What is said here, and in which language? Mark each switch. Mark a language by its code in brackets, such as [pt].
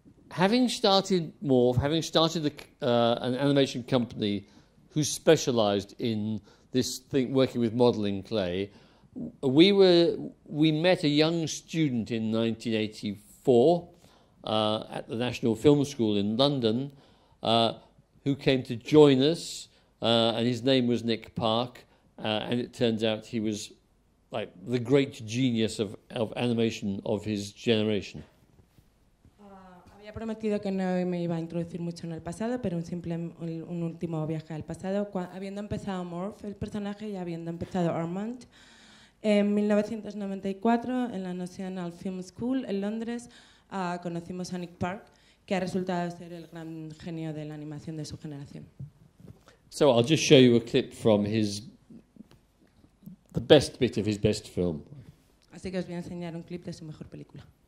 [en] Having started an animation company who specialized in this thing, working with modeling clay, we met a young student in 1984 at the National Film School in London who came to join us, and his name was Nick Park, and it turns out he was like the great genius of animation of his generation. [es] He prometido que no me iba a introducir mucho en el pasado, pero un último viaje al pasado. Habiendo empezado Morph, el personaje, y habiendo empezado Aardman, en 1994, en la National Film School, en Londres, conocimos a Nick Park, que ha resultado ser el gran genio de la animación de su generación. [en] So I'll just show you a clip from the best bit of his best film. [es] Así que os voy a enseñar un clip de su mejor película.